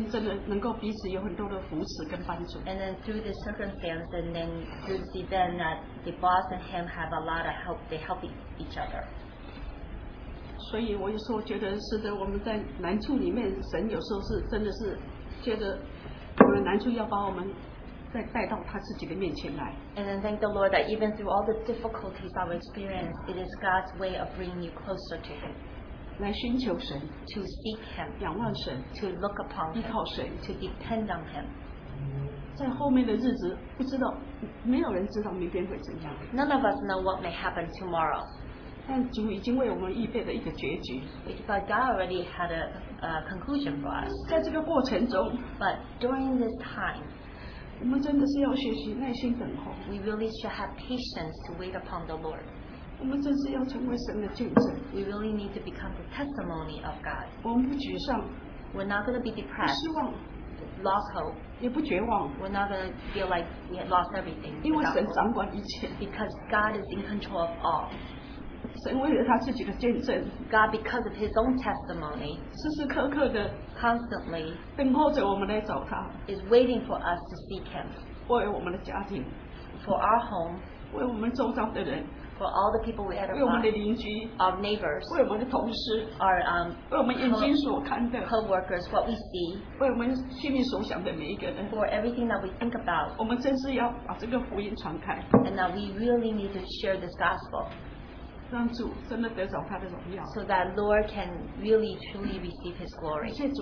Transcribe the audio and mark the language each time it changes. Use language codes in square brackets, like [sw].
[zh] 神也借着这个环境让他们之间真的能够彼此有很多的扶持跟帮助, [en] and then through this circumstance and then through this event that the boss and him have a lot of help, they help each other. [zh] 所以我有时候觉得是的我们在难处里面神有时候是真的是借着难处要把我们再带到他自己的面前来, [en] and then thank the Lord that even through all the difficulties I've experienced, it is God's way of bringing you closer to him, [zh] 来寻求神, [en] to seek him, [zh] 仰望神, [en] to look upon him, [zh] 依靠神, [en] to depend on him. [zh] 在后面的日子, 不知道, 没有人知道明天会怎样, [en] none of us know what may happen tomorrow, [zh] 但主已经为我们预备了一个结局, [en] but God already had a conclusion for us. [zh] 在这个过程中, [en] but during this time, [zh] 我们真的是要学习耐心等候, [en] we really should have patience to wait upon the Lord. [zh] 我们真是要成为神的见证, [en] we really need to become the testimony of God. [zh] 我们不沮丧, [en] we're not going to be depressed, [zh] 不失望, [en] lost hope, [zh] 也不绝望, [en] we're not going to feel like we had lost everything, [zh] 因为神掌管一切, [en] because God is in control of all. [zh] 神为了他自己的见证, [en] God, because of his own testimony, [zh] 时时刻刻的, [en] constantly [zh] 等候着我们来找他, [en] is waiting for us to seek him, [zh] 为我们的家庭, [en] for our home, [zh] 为我们周遭的人, [en] for all the people we had around, our neighbors, [zh] 为我们的同事, [en] our [zh] 为我们眼睛所看的, [en] co-workers, what we see, [zh] 为我们心里所想的每一个人, [en] for everything that we think about, [zh] 我们真是要把这个福音传开, [en] and that we really need to share this gospel, so that Lord can really truly receive his glory.